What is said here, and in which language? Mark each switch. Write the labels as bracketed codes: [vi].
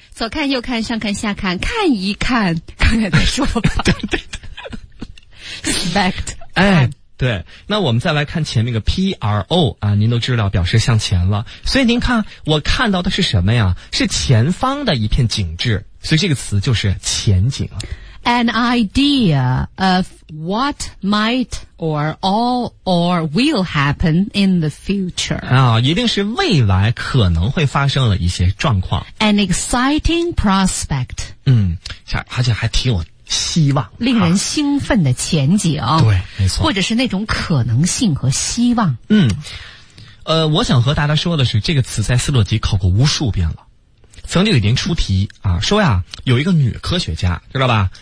[zh] 左看右看，上看下看，看一看，看看再说吧。对对对 [en] ，spect， [zh] 哎。对，那我们再来看前面个 PRO 啊，您都知道表示向前了，所以您看我看到的是什么呀？是前方的一片景致，所以这个词就是前景。 [en] An idea of what might or all or will happen in the future [zh] 啊，一定是未来可能会发生了一些状况。 [en] An exciting prospect [zh] 而且还挺有希望，令人兴奋的前景，对，没错，或者是那种可能性和希望。我想和大家说的是，这个词在斯洛吉考过无数遍了，曾经有一年出题啊，说呀，有一个女科学家，知道吧？